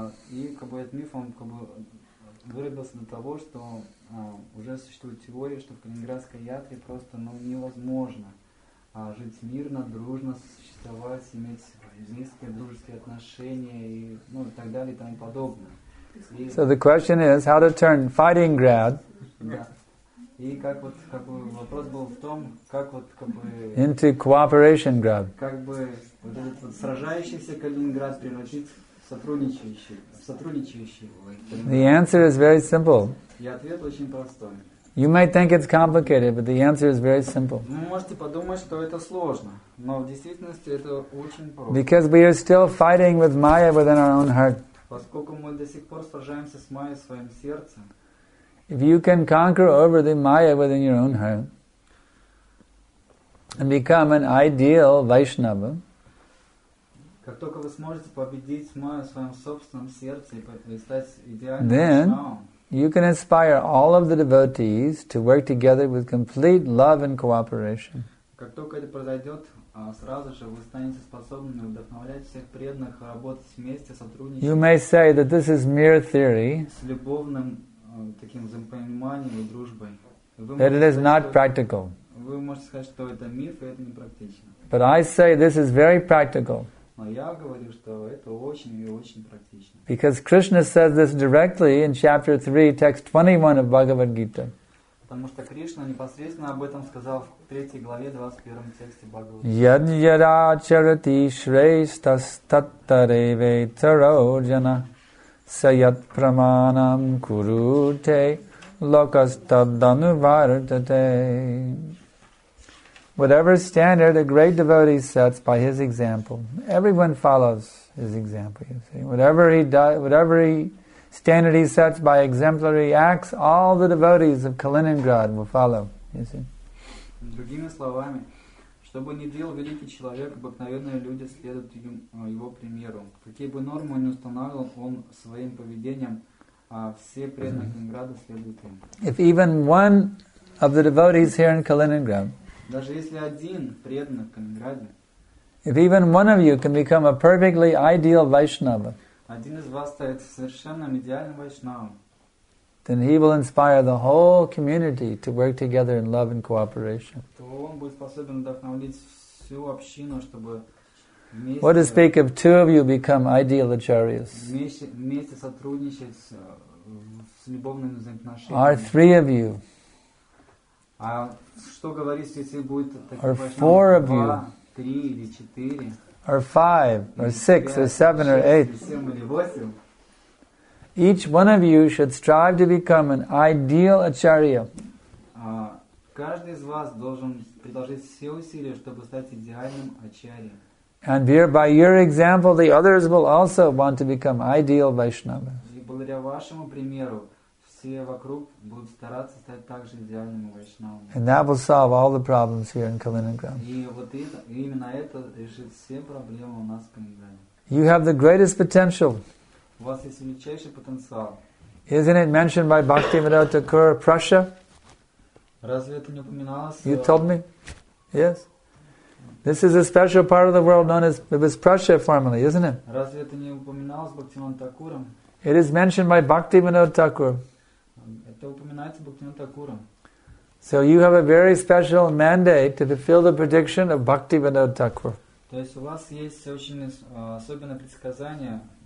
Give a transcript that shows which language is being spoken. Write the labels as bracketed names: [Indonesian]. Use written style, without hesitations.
[Russian] И как бы, этот миф он, как бы, вырабился до того, что уже существует теория, что в калининградской ятре просто невозможно жить мирно, дружно, существовать, иметь близкие дружеские отношения и, ну, и так далее и тому подобное. [English] So the question is, how to turn fighting grad into cooperation grad. [Russian] Как бы вот этот вот сражающийся Калининград превратить в сотрудничающий. [English] The answer is very simple. [Russian] И ответ очень простой. [English] You might think it's complicated, but the answer is very simple. [Russian] Вы можете подумать, что это сложно, но в действительности это очень просто. [English] Because we are still fighting with Maya within our own heart. [Russian] Поскольку мы до сих пор сражаемся с Майей в своем сердце. [English] If you can conquer over the Maya within your own heart and become an ideal Vaishnava, [Russian] как только вы сможете победить Майю в своем собственном сердце и стать идеальным Вайшнавом, [English] then you can inspire all of the devotees to work together with complete love and cooperation. [Russian] Как только это произойдет, сразу же вы станете способны вдохновлять всех преданных работать вместе, сотрудничать. [English] You may say that this is mere theory. [Russian] С любовным таким взаимопониманием и дружбой. [English] That it is not practical. [Russian] Вы можете сказать, что это миф, и это не практично. [English] But I say this is very practical. [Russian] Но я говорю, что это очень и очень практично. [English] Because Krishna says this directly in chapter 3, text 21 of Bhagavad Gita. [Russian] Потому что Кришна непосредственно об этом сказал в 3 главе 21 тексте Бхагавад. [Sanskrit] Яджара чарати шрейста статтаре вейтароджана саят праманам куруте локастабдану вартате. [English] Whatever standard a great devotee sets by his example, everyone follows his example, you see. Whatever he does, whatever he standard he sets by exemplary acts, all the devotees of Kaliningrad will follow, you see. [Russian] Другими словами, что бы ни делал великий человек, обыкновенные люди следуют его примеру. Какие бы нормы ни устанавливал он своим поведением, все преданные Калининграда следуют им. [English] If even one of the devotees here in Kaliningrad. [Russian] Даже если один преданный в Калининграде. [English] If even one of you can become a perfectly ideal Vaishnava. [Russian] Один из вас станет совершенным идеальным Вайшнавом. [English] Then he will inspire the whole community to work together in love and cooperation. [Russian] То он будет способен вдохновить всю общину, чтобы вместе. [English] What to speak of two of you become ideal acharyas? [Russian] Вместе сотрудничать с любовными взаимоотношениями. [English] Are three of you? [Russian] А что говорить, если будет такие [English] Are four of you? [Russian] Три или четыре? [English] Or five? Or six? Or seven? Or eight? [Russian] Семь или восемь? [English] Each one of you should strive to become an ideal acharya. [Russian] Каждый из вас должен приложить все усилия, чтобы стать идеальным ачарьей. [English] And by your example, the others will also want to become ideal Vaishnava. [Russian] И благодаря вашему примеру, все вокруг будут стараться стать также идеальными Вайшнавами. [English] And that will solve all the problems here in Kaliningrad. [Russian] И вот именно это решит все проблемы у нас в Калининграде. [English] You have the greatest potential. [Russian] У вас есть величайший потенциал. [English] Isn't it mentioned by Bhaktivinoda Thakur, Prussia? [Russian] Разве это не упоминалось? [English] You told me? Yes. This is a special part of the world known as it was Prussia formerly, isn't it? [Russian] Разве это не упоминалось Бхактивинода Такуром? [English] It is mentioned by Bhaktivinoda Thakur. [Russian] Это упоминается Бхактивинода Такуром. [English] So you have a very special mandate to fulfill the prediction of Bhaktivinoda Thakur. [Russian] То есть у вас есть очень особенное предсказание.